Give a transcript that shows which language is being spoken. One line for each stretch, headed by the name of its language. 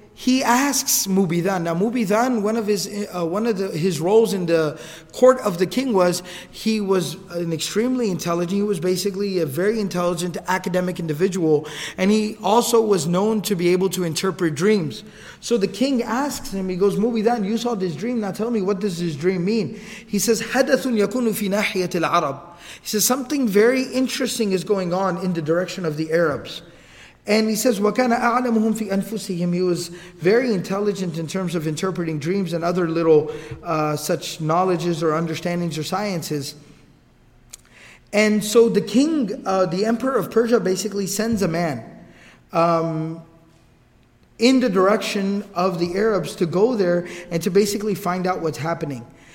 English: he asks Mubidhan. Now, Mubidhan, one of his roles in the court of the king was, he was an extremely intelligent, he was basically a very intelligent academic individual, and he also was known to be able to interpret dreams. So the king asks him, he goes, Mubidhan, you saw this dream, now tell me, what does this dream mean? He says,
Arabic: حَدَثٌ يَكُونُ فِي نَاحِيَةِ الْعَرَبِ.
English: He says, something very interesting is going on in the direction of the Arabs. And he says,
Arabic: وَكَانَ أَعْلَمُهُمْ فِي أَنفُسِهِمْ.
English: He was very intelligent in terms of interpreting dreams and other little such knowledges or understandings or sciences. And so the king, the emperor of Persia, basically sends a man in the direction of the Arabs to go there and to basically find out what's happening.